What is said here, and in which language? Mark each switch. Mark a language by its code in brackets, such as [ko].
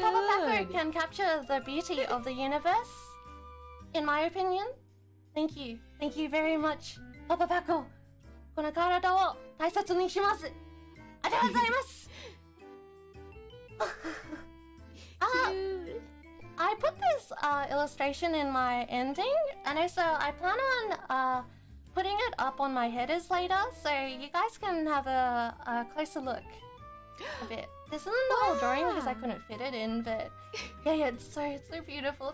[en] Papa Paco can capture the beauty of the universe, in my opinion. Thank you. Thank you very much, Papa Paco. [ja] この体を大切にします。ありがとうございます。 [en] I put this illustration in my ending, and also I plan on putting it up on my headers later, so you guys can have a closer look. A bit. This isn't the whole drawing because I couldn't fit it in, but it's so beautiful.